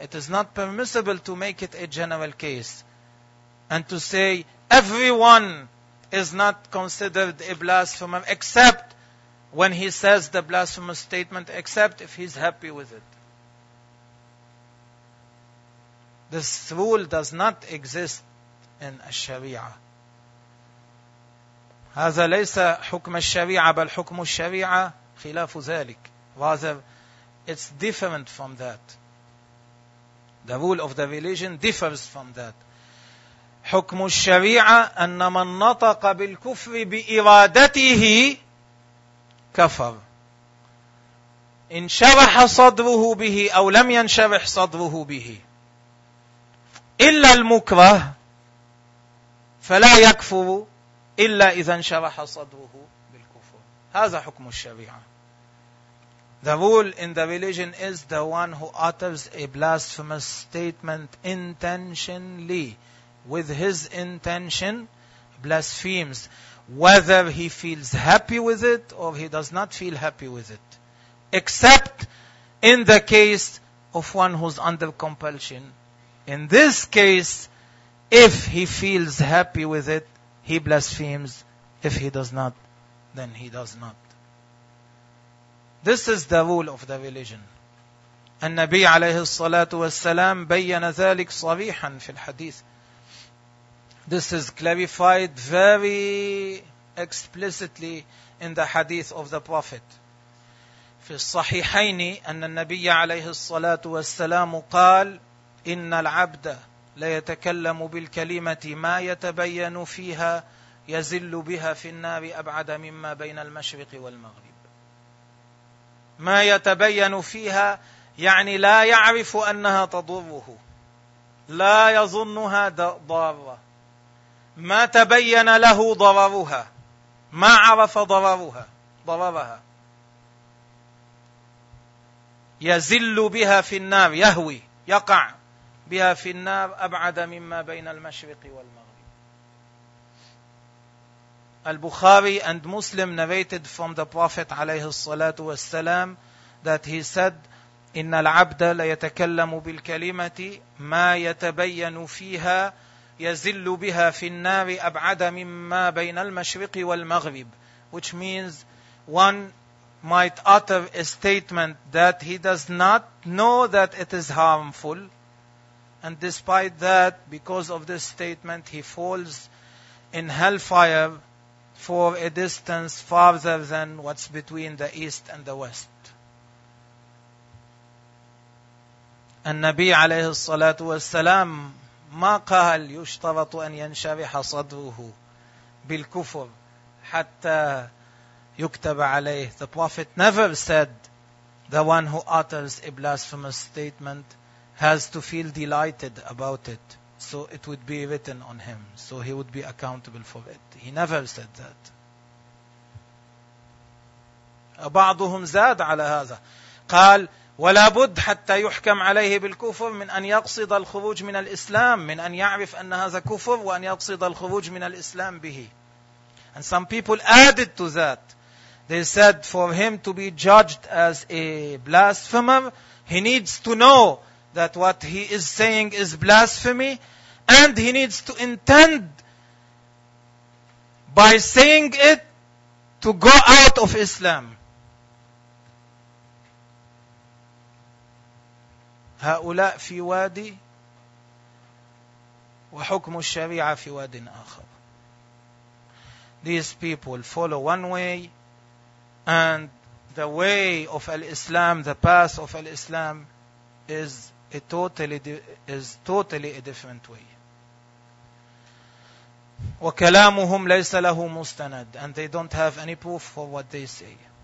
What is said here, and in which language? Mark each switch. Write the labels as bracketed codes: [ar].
[en] It is not permissible to make it a general case and to say everyone is not considered a blasphemer except when he says the blasphemous statement, except if he's happy with it. This rule does not exist in Sharia. [ar] هذا ليس حكم الشريعة بل حكم الشريعة خلاف ذلك. [en] Rather, it's different from that. The rule of the religion differs from that. [ar] حكم الشريعة أن من نطق بالكفر بإرادته كفر. إن شرح صدره به أو لم ينشرح صدره به. إلا المكره فلا يكفر إلا إذا انشرح صدره بالكفر. هذا حكم الشريعة. [en] The rule in the religion is the one who utters a blasphemous statement intentionally, with his intention, blasphemes, whether he feels happy with it or he does not feel happy with it, except in the case of one who's under compulsion. In this case, if he feels happy with it, he blasphemes. If he does not, then he does not. This is the rule of the religion. [ar] النبي عليه الصلاة والسلام بيّن ذلك صريحا في الحديث. [en] This is clarified very explicitly in the hadith of the Prophet. [ar] في الصحيحين أن النبي عليه الصلاة والسلام قال إن العبد لا يتكلم بالكلمة ما يتبين فيها يزل بها في النار أبعد مما بين المشرق والمغرب. ما يتبين فيها يعني لا يعرف أنها تضره، لا يظنها ضارة، ما تبين له ضررها، ما عرف ضررها ضررها، يزل بها في النار، يهوي، يقع بها في النار أبعد مما بين المشرق والمغرب. البخاري [en] and Muslim narrated from the Prophet [ar] عليه الصلاة والسلام [en] that he said [ar] إن العبد ليتكلم بالكلمة ما يتبين فيها يزل بها في النار أبعد مما بين المشرق والمغرب. [en] Which means one might utter a statement that he does not know that it is harmful, and despite that, because of this statement, he falls in hellfire for a distance farther than what's between the east and the west. [ar] النبي عليه الصلاة والسلام ما قال يشترط أن ينشرح صدره بالكفر حتى يكتب عليه. [en] The prophet never said the one who utters a blasphemous statement has to feel delighted about it, so it would be written on him, so he would be accountable for it. He never said that. [ar] بعضهم زاد على هذا. قال ولا بد حتى يحكم عليه بالكفر من أن يقصد الخروج من الإسلام, من أن يعرف أن هذا كفر وأن يقصد الخروج من الإسلام به. [en] And some people added to that. They said for him to be judged as a blasphemer, he needs to know that what he is saying is blasphemy, and he needs to intend by saying it to go out of Islam. [ar] هؤلاء في وادي وحكم الشريعة في واد آخر. [en] These people follow one way and the way of al-Islam, the path of al-Islam is totally a different way. [ar] وكلامهم ليس له مستند, [en] and they don't have any proof for what they say.